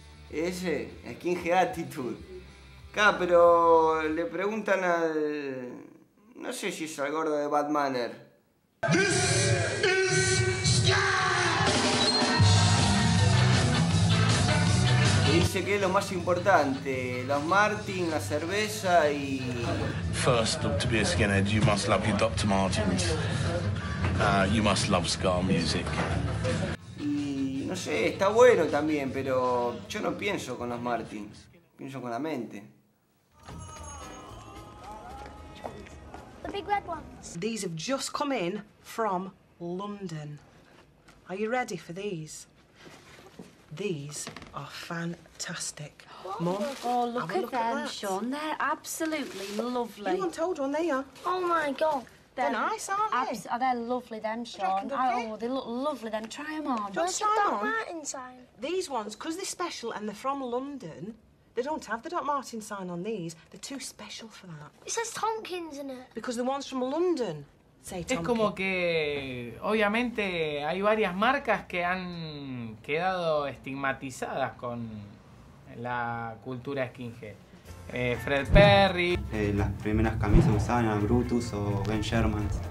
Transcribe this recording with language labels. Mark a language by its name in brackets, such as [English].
[Spanish] Ese, SkinHeads Attitude. Claro, pero le preguntan al, no sé si es al gordo de Bad Manner. Dice que es lo más importante, los Martin, la cerveza y... [English] First, to be a skinhead, you must love your Dr. Martins. You must love ska music. Y no sé, está bueno también, pero yo no pienso con los Martins, pienso con la mente. The big red ones. These have just come in from London. Are you ready for these? These are fantastic. Mum, oh, look at them, Sean. They're absolutely lovely. You want to hold one, there you are. Oh, my God. They're nice, aren't they? They're lovely, them, Sean. They look lovely, them. Try them on. Where's the Doc Martin sign? These ones, because they're special and they're from London, they don't have the Doc Martin sign on these. They're too special for that. It says Tompkins in it. Because the ones from London. [Spanish] Es como que obviamente hay varias marcas que han quedado estigmatizadas con la cultura skinhead. Fred Perry. Las primeras camisas usaban a Brutus o Ben Sherman.